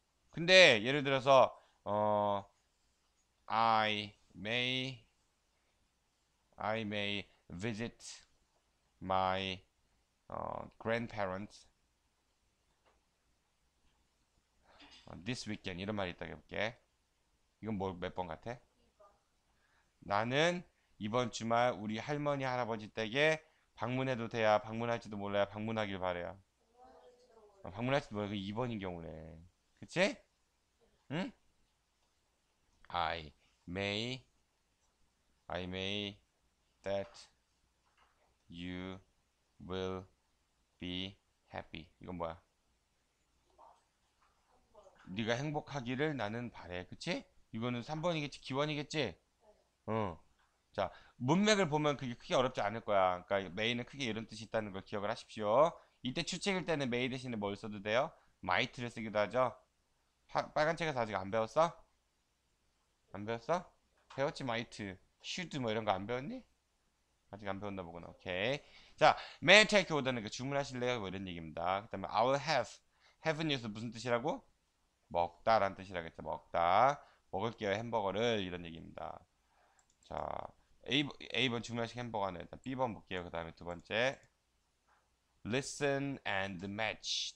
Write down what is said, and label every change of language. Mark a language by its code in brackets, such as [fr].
[ko] 근데 예를 들어서 [en] I may visit my grandparents this weekend [ko] 이런 말이 있다고 해볼게. 이건 뭐몇번 같아? 나는 이번 주말 우리 할머니 할아버지 댁에 방문해도 돼야? 방문할지도 몰라야? 방문하길 바래야. 방문할지도 몰라. 그 2번인 경우네. 그치? 응? [en] I may that you will be happy. [ko] 이건 뭐야? 네가 행복하기를 나는 바래. 그치? 이거는 3번이겠지? 기원이겠지? 응. 자, 문맥을 보면 그게 크게 어렵지 않을 거야. 그러니까 may는 크게 이런 뜻이 있다는 걸 기억을 하십시오. 이때 추측일 때는 may 대신에 뭘 써도 돼요? might를 쓰기도 하죠. 빨간 책에서 아직 안 배웠어? 안 배웠어? 배웠지, might. should 뭐 이런 거안 배웠니? 아직 안 배웠나 보구나. 오케이. [en] 자, may I take your order는 [ko] 그 주문하실래요? 뭐 이런 얘기입니다. 그 다음에 I'll have는 여기서 무슨 뜻이라고? 먹다란 뜻이라겠죠. 먹다. 먹을게요, 햄버거를. 이런 얘기입니다. 자, A번 주문하신 햄버거는 일단 B번 볼게요. 그 다음에 두 번째. [en] Listen and match.